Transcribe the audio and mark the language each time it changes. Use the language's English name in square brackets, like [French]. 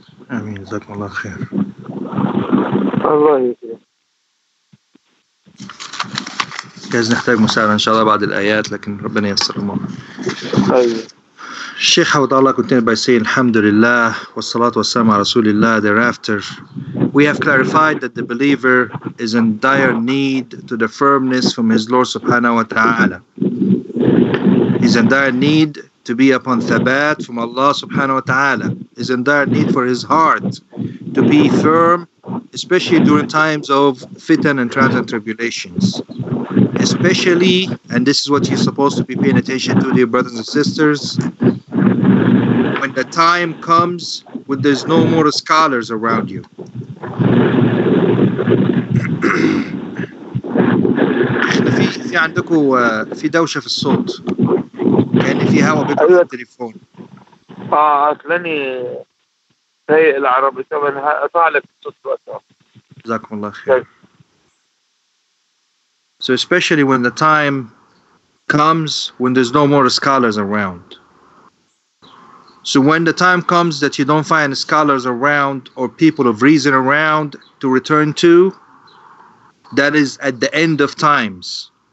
[Arabic] آمين، جزاكم الله خير. الله يسلمك. جايز نحتاج مساعدة إن شاء الله بعد الآيات، لكن ربنا ييسر الأمور. الشيخ حوض الله [English] continued by saying [Arabic] الحمد لله والصلاة والسلام على رسول الله. [English] Thereafter, we have clarified that the believer is in dire need to the firmness from his Lord subhanahu wa ta'ala. He's in dire need to be upon thabat from Allah subhanahu wa ta'ala. He's in dire need for his heart to be firm, especially during times of fitan and trials and tribulations. Especially, and this is what you're supposed to be paying attention to, dear brothers and sisters, when the time comes when there's no more scholars around you. [Arabic] في عندكم في دوشة في الصوت، كان في هوا بيكو في التليفون. أصلني سيء العربي، طبعا أطالك الصوت وأطالك. جزاكم الله خير. [English] So especially when the time comes when there's no more scholars around. So when the time comes that you don't find scholars around or people of reason around to return to, that is at the end of times.